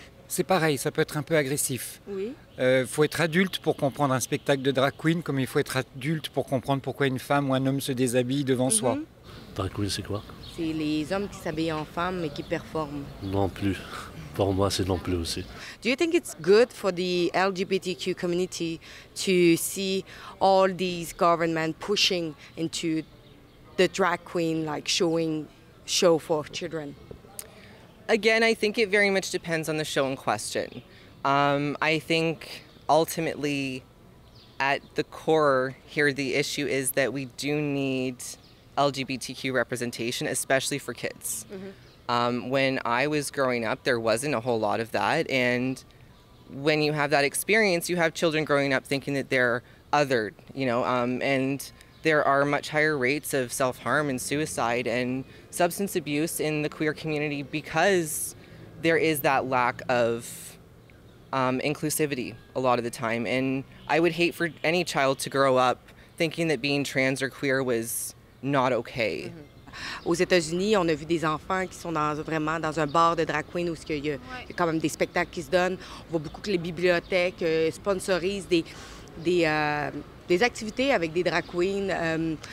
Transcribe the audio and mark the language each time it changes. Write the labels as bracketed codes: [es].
[fr] C'est pareil, ça peut être un peu agressif. Oui. Faut être adulte pour comprendre un spectacle de drag queen, comme il faut être adulte pour comprendre pourquoi une femme ou un homme se déshabille devant soi. Drag queen, c'est quoi? C'est les hommes qui s'habillent en femme mais qui performent. Non plus. Pour moi, c'est non plus aussi. [en] Do you think it's good for the LGBTQ community to see all these governments pushing into the drag queen, like showing show for children? Again, I think it very much depends on the show in question. I think ultimately, at the core here, the issue is that we do need LGBTQ representation, especially for kids. When I was growing up, there wasn't a whole lot of that. And when you have that experience, you have children growing up thinking that they're othered, you know, and there are much higher rates of self-harm and suicide and substance abuse in the queer community because there is that lack of inclusivity a lot of the time. And I would hate for any child to grow up thinking that being trans or queer was not okay. Mm-hmm. [fr] Aux États-Unis, on a vu des enfants qui sont dans, vraiment dans un bar de drag queen où il y a quand même des spectacles qui se donnent. On voit beaucoup que les bibliothèques sponsorisent des activités avec des drag queens.